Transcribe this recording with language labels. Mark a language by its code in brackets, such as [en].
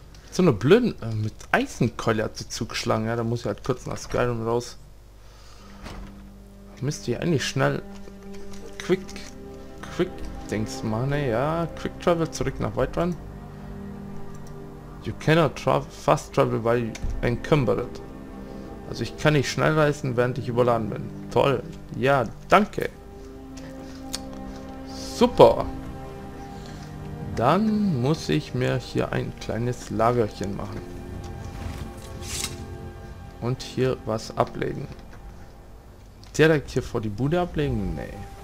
[de] So eine blöde... mit Eisenkeule hat sie zugeschlagen, ja. Da muss ich halt kurz nach Skyrim raus. Müsste ich eigentlich schnell... Quick-Dings machen, ey. Ja, Quick-Travel zurück nach Whiterun. [en] You cannot fast travel by encumbered. [de] Also ich kann nicht schnell reisen, während ich überladen bin. Toll. Ja, danke. Super. Dann muss ich mir hier ein kleines Lagerchen machen. Und hier was ablegen. Direkt hier vor die Bude ablegen? Nee.